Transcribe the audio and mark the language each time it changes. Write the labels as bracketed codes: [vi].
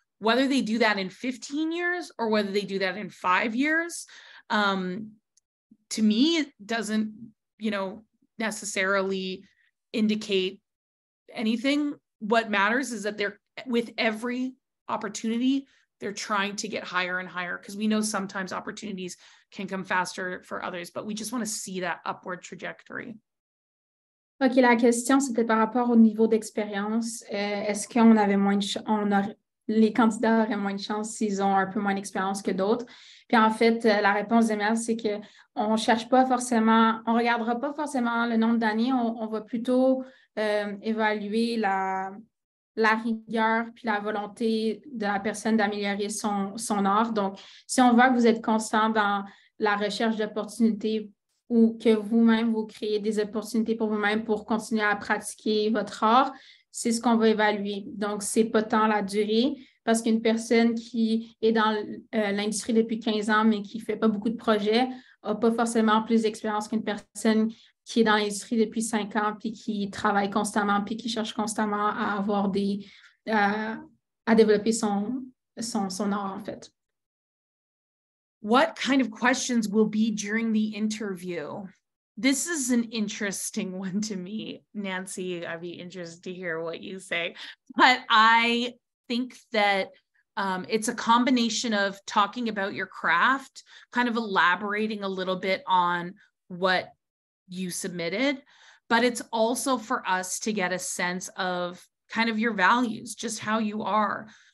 [en] Whether they do that in 15 years or whether they do that in 5 years, to me, it doesn't, you know, necessarily indicate anything. What matters is that they're with every opportunity, they're trying to get higher and higher, because we know sometimes opportunities can come faster for others, but we just want to see that upward trajectory. [fr] OK, la question, c'était par rapport au niveau d'expérience. Est-ce qu'on avait moins de les candidats auraient moins de chance s'ils ont un peu moins d'expérience que d'autres? Puis en fait, la réponse d'Emma, c'est qu'on ne cherche pas forcément, on ne regardera pas forcément le nombre d'années, on va plutôt évaluer la rigueur puis la volonté de la personne d'améliorer son art. Donc, si on voit que vous êtes constant dans la recherche d'opportunités ou que vous-même, vous créez des opportunités pour vous-même pour continuer à pratiquer votre art, c'est ce qu'on va évaluer. Donc, c'est pas tant la durée, parce qu'une personne qui est dans l'industrie depuis 15 ans, mais qui ne fait pas beaucoup de projets, n'a pas forcément plus d'expérience qu'une personne qui est dans l'industrie depuis 5 ans, puis qui travaille constamment, puis qui cherche constamment à avoir des à développer son art, en fait. [en] What kind of questions will be during the interview? This is an interesting one to me, Nancy. I'd be interested to hear what you say. But I think that it's a combination of talking about your craft, kind of elaborating a little bit on what you submitted, but it's also for us to get a sense of kind of your values, just how you are.